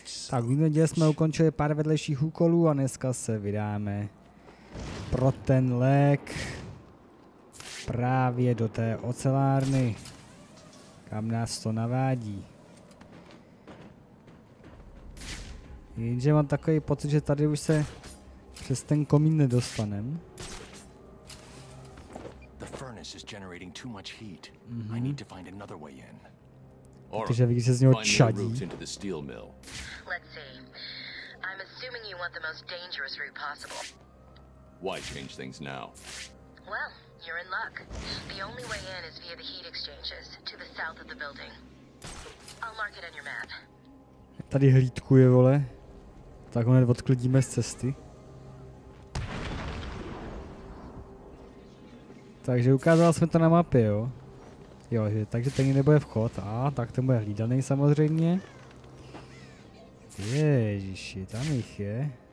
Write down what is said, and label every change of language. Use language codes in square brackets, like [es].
[cs] Tak v neděli jsme ukončili pár vedlejších úkolů a dneska se vydáme pro ten lék právě do té ocelárny, kam nás to navádí. Jenže mám takový pocit, že tady už se přes ten komín nedostanem. [en] Is generating too much heat. Mm-hmm. I need to find another way in. [cs] Takže vidíš, že z něho čadí. [en] Let's see. I'm assuming you want the most dangerous route possible. Why change things now? Well, you're in luck. The only way in is via the heat exchanges to the south of the building. I'll mark it on your map. [cs] Tady hlídkuje, vole. Tak hned odklidíme z cesty. Takže ukázal jsme to na mapě, jo. Jo, že, takže ten nebude vchod. A tak ten bude hlídaný samozřejmě. Ježiši, tam jich je.